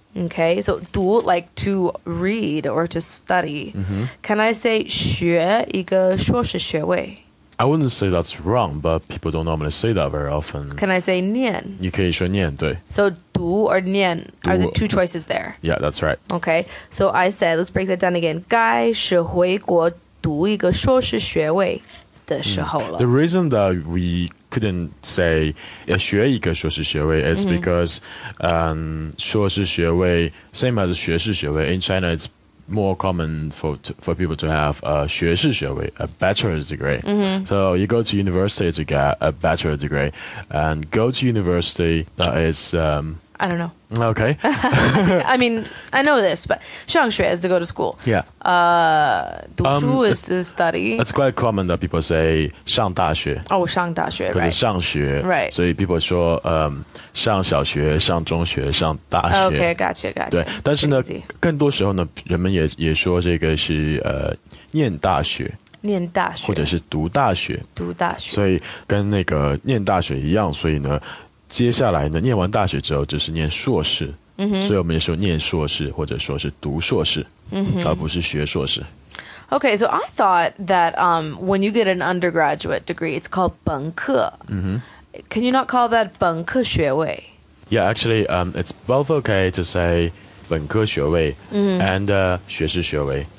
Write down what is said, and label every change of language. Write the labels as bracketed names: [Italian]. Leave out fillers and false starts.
[English] Okay, so 读 like to read or to study. Mm-hmm. Can I say [Chinese] 学一个硕士学位? [English] I wouldn't say that's wrong, but people don't normally say that very often. Can I say 念? [Chinese] 你可以说念,对。 [English] So 读 or 念 are the two choices there. Yeah, that's right. Okay, so I said, let's break that down again. 该是回国读一个硕士学位的时候了。 The reason that we couldn't say [Chinese] 要学一个硕士学位 [English] it's mm-hmm. because 硕士学位 same as 学士学位 in China it's more common for people to have a 学士学位 a bachelor's degree mm-hmm. so you go to university to get a bachelor's degree and go to university that is I don't know okay I mean I know this but 上学 is to go to school yeah 读书 is to study it's quite common that people say 上大学 oh 上大学 right [Chinese] 可是上学 [English] right [Chinese] 所以 people 说上小学上中学上大学 [English] okay gotcha [Chinese] 对但是呢更多时候呢人们 也说这个是念大学念大学或者是读大学读大学所以跟那个念大学一样所以呢接下来呢念完大学之后就是念硕士、 mm-hmm. 所以我们也说念硕士或者说是读硕士、 mm-hmm. 而不是学硕士 [English] Okay, so I thought that when you get an undergraduate degree it's called 本科、 mm-hmm. Can you not call that 本科学位 Yeah, actually it's both okay to say 本科学位、 mm-hmm. and 学士学位、